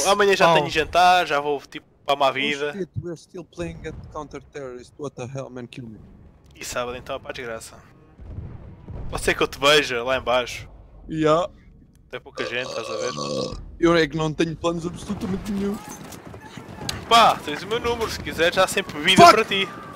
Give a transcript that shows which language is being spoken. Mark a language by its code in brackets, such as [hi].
[pt] Então, amanhã já tenho jantar, já vou tipo para a má vida. [en] We're still playing at counter terrorist. What the hell, man, kill me. [pt] E sábado então, pá, desgraça. Pode ser que eu te veja lá embaixo. [en] Yeah. [pt] Tem pouca gente, estás a ver? Eu é que não tenho planos absolutamente nenhum. Pá, tens o meu número, se quiseres há sempre vida para ti.